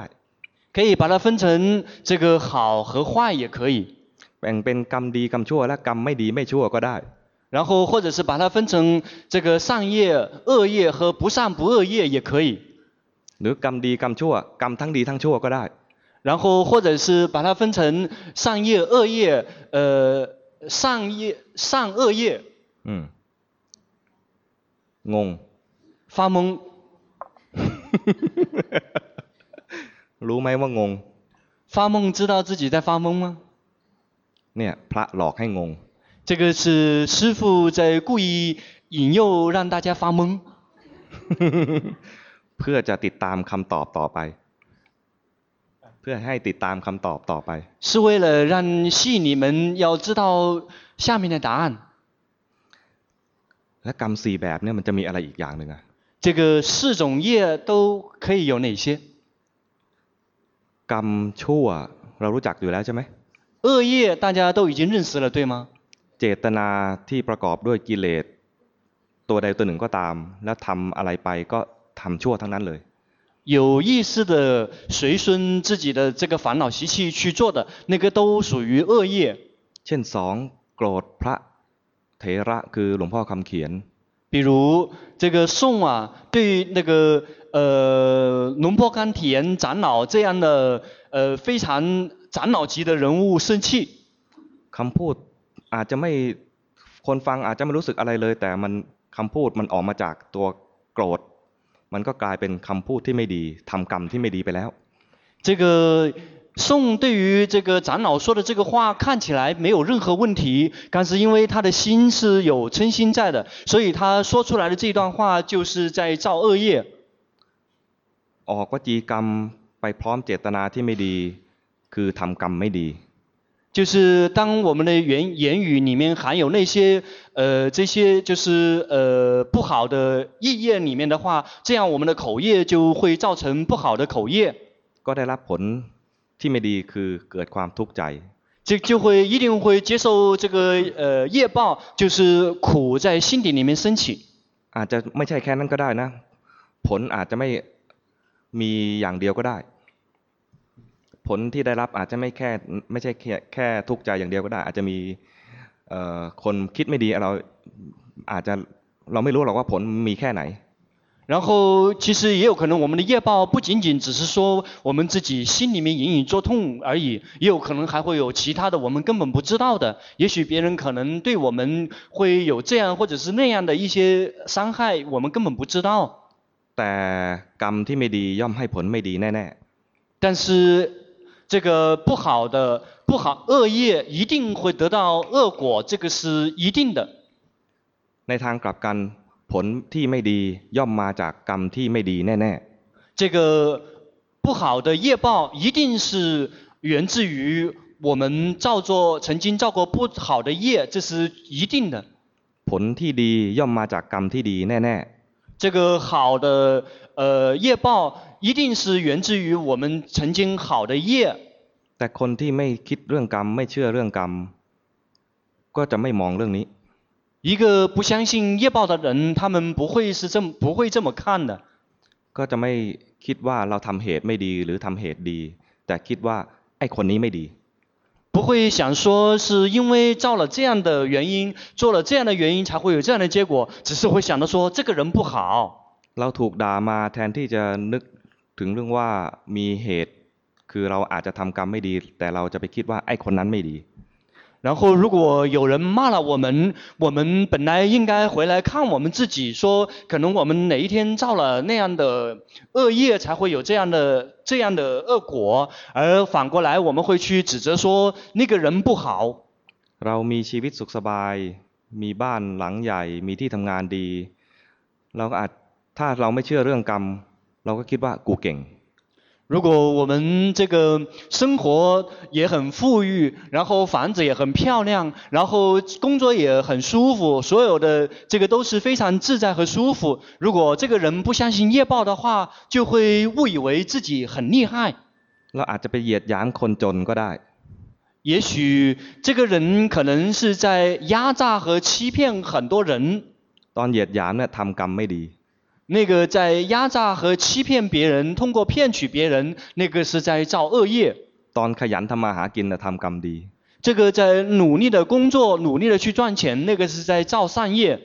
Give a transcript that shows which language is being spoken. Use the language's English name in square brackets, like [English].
[Chinese] 可以把它分成这个好和坏也可以 [Thai] แบ่งเป็นกรรมดีกรรมชั่วและกรรมไม่ดีไม่ชั่วก็ได้ [Chinese] 然后或者是把它分成这个善业恶业和不善不恶业也可以 [Thai] หรือกรรมดีกรรมชั่วกรรมทั้งดีทั้งชั่วก็ได้ [Chinese] 然后或者是把它分成善业恶业善恶业 [Thai] งง [Chinese] 发懵 [Thai] รู้ไหมว่างง [Chinese] 发懵知道自己在发懵吗 [Thai] เนี่ยพระหลอกให้งง [Chinese] 这个是师父在故意引诱让大家发懵 [Thai] เพื่อจะติดตามคำตอบต่อไปเพื่อให้ติดตามคำตอบต่อไป [Chinese] 是为了让吸引你们要知道下面的答案 [Thai] และกรรม4แบบเนี่ยมันจะมีอะไรอีกอย่างนึงอ่ะ [Chinese] 这个四种业都可以有哪些 [Thai] กรรมชั่วเรารู้จักอยู่แล้วใช่มั้ย [Chinese] 恶业大家都已经认识了对吗 [Thai] เจตนาที่ประกอบด้วยกิเลสตัวใดตัวหนึ่งก็ตามแล้วทำอะไรไปก็ทำชั่วทั้งนั้นเลย [Chinese] 有意识的随顺自己的这个烦恼习气去做的那个都属于恶业 [Thai] เช่น2โกรธพระเถระคือหลวงพ่อคำเขียน [Chinese] 比如这个宋啊对那个龙婆甘田长老这样的非常长老级的人物生气 [Thai] คำพูดอาจจะไม่คนฟังอาจจะไม่รู้สึกอะไรเลยแต่มัน คำพูดมันออกมาจากตัวโกรธมันก็กลายเป็นคำพูดที่ไม่ดีทำกรรมที่ไม่ดีไปแล้ว [Chinese] 这个宋对于这个长老说的这个话看起来没有任何问题，但是因为他的心是有嗔心在的，所以他说出来的这段话就是在造恶业。 [Thai] ออกวจีกรรมไปพร้อมเจตนาที่ไม่ดีคือทำกรรมไม่ดี [Chinese] 就是当我们的言语里面含有那些这些就是不好的意念里面的话，这样我们的口业就会造成不好的口业。 [Thai] ก็ได้รับผลที่ไม่ดีคือเกิดความทุกข์ใจ [Chinese] 就会一定会接受这个业报，就是苦在心底里面升起。 [Thai] อาจจะไม่ใช่แค่นั้นก็ได้นะผลอาจจะไม่มีอย่างเดียวก็ได้ผลที่ได้รับอาจจะไม่ใช่แค่ทุกข์ใจอย่างเดียวก็ได้อาจจะมีคนคิดไม่ดีเราอาจจะเราไม่รู้หรอกว่าผลมีแค่ไหน [Chinese] 然后其实也有可能我们的业报不仅仅只是说我们自己心里面隐隐作痛而已，也有可能还会有其他的我们根本不知道的，也许别人可能对我们会有这样或者是那样的一些伤害，我们根本不知道。 [Thai] แต่กรรมที่ไม่ดีย่อมให้ผลไม่ดีแน่ [Chinese] ๆ但是这个不好的不好恶业一定会得到恶果，这个是一定的。 [Thai] ในทางกลับกันผลที่ไม่ดีย่อมมาจากกรรมที่ไม่ดีแน่ [Chinese] ๆ这个不好的业报一定是源自于我们曾经造过不好的业，这是一定的。 [Thai] ผลที่ดีย่อมมาจากกรรมที่ดีแน่ [Chinese] ๆ这个好的业报一定是源自于我们曾经好的业。 [Thai] แต่คนที่ไม่คิดเรื่องกรรมไม่เชื่อเรื่องกรรมก็จะไม่มองเรื่องนี้ [Chinese] 一个不相信业报的人，他们不会这么看的。 [Thai] ก็จะไม่คิดว่าเราทำเหตุไม่ดีหรือทำเหตุดีแต่คิดว่าไอ้คนนี้ไม่ดี [Chinese] 不会想说是因为造了这样的原因，做了这样的原因才会有这样的结果，只是会想到说这个人不好。 [Thai] เราถูกด่ามาแทนที่จะนึกถึงเรื่องว่ามีเหตุคือเราอาจจะทำกรรมไม่ดีแต่เราจะไปคิดว่าไอ้คนนั้นไม่ดี [Chinese] 然后如果有人骂了我们，我们本来应该回来看我们自己，说可能我们哪一天造了那样的恶业，才会有这样的恶果，而反过来我们会去指责说那个人不好。 [Thai] เรามีชีวิตสุขสบายมีบ้านหลังใหญ่มีที่ทำงานดีเราอาจถ้าเราไม่เชื่อเรื่องกรรมเราก็คิดว่ากูเก่ง [Chinese] 如果我们这个生活也很富裕，然后房子也很漂亮，然后工作也很舒服，所有的这个都是非常自在和舒服，如果这个人不相信业报的话，就会误以为自己很厉害。 [Thai] เราอาจจะไปเหยียดหยามคนจนก็ได้。 [Chinese] 也许这个人可能是在压榨和欺骗很多人。 [Thai] ตอนเหยียดหยามเนี่ยทำกรรมไม่ดี。 [Chinese] 那个在压榨和欺骗别人，通过骗取别人，那个是在造恶业。 [Thai] ตอนขยันทำมาหากินน่ะทำกรรมดี。 [Chinese] 这个在努力的工作，努力的去赚钱，那个是在造善业。